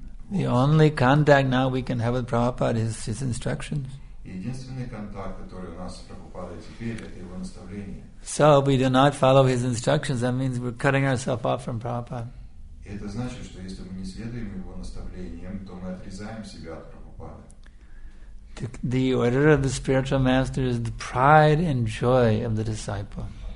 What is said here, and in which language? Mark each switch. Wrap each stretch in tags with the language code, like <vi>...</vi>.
<en>The only contact now we can have with Prabhupada is his instructions.</en> <ru>Единственный контакт, который у нас с Прабхупадой теперь, это его наставление.</ru> <en>So if we do not follow his instructions, that means we're cutting ourselves off from Prabhupada.</en> <ru>Это значит, что если мы не следуем его наставлениям, то мы отрезаем себя от Прабхупады.</ru> <en>The order of the spiritual master is the pride and joy of the disciple.</en>